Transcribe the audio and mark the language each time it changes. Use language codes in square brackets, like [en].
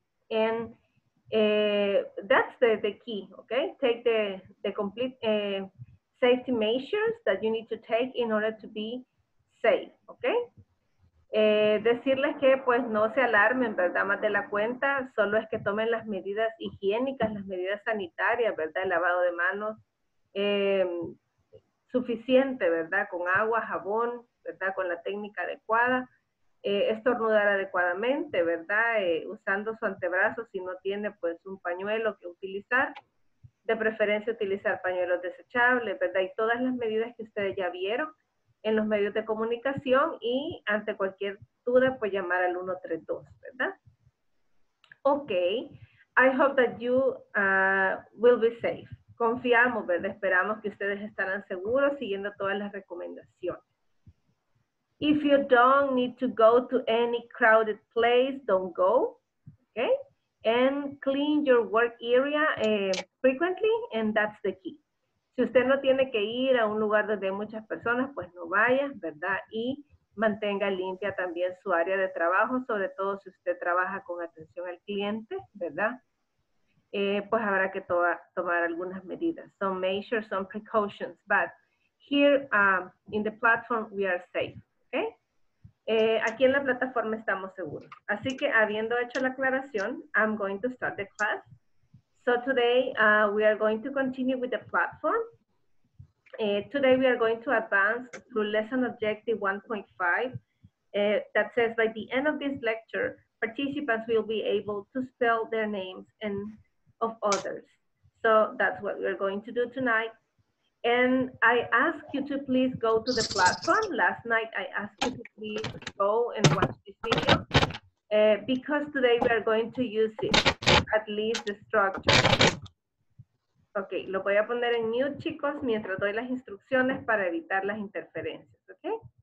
[en] And that's the key, okay? Take the complete safety measures that you need to take in order to be safe, okay? [es] Decirles que pues no se alarmen, ¿verdad? Más de la cuenta, solo es que tomen las medidas higiénicas, las medidas sanitarias, ¿verdad? El lavado de manos suficiente, ¿verdad? Con agua, jabón, ¿verdad? Con la técnica adecuada. Estornudar adecuadamente, ¿verdad? Usando su antebrazo si no tiene pues un pañuelo que utilizar, de preferencia utilizar pañuelos desechables, ¿verdad? Y todas las medidas que ustedes ya vieron en los medios de comunicación y ante cualquier duda pues llamar al 132, ¿verdad? [en] Ok, I hope that you will be safe. [es] Confiamos, ¿verdad? Esperamos que ustedes estarán seguros siguiendo todas las recomendaciones. [en] If you don't need to go to any crowded place, don't go, okay? And clean your work area frequently, and that's the key. [es] Si usted no tiene que ir a un lugar donde hay muchas personas, pues no vaya, ¿verdad? Y mantenga limpia también su área de trabajo, sobre todo si usted trabaja con atención al cliente, ¿verdad? Pues habrá que tomar algunas medidas. [en] Some measures, some precautions, but here in the platform, we are safe. Okay. [es] Aquí en la plataforma estamos seguros. Así que habiendo hecho la aclaración, [en] I'm going to start the class. So today we are going to continue with the platform. Today we are going to advance through lesson objective 1.5. That says by the end of this lecture, participants will be able to spell their names and of others. So that's what we are going to do tonight. And I ask you to please go to the platform. Last night, I asked you to please go and watch this video because today we are going to use it, at least the structure. [es] Okay, lo voy a poner en mute, chicos, mientras doy las instrucciones para evitar las interferencias, okay?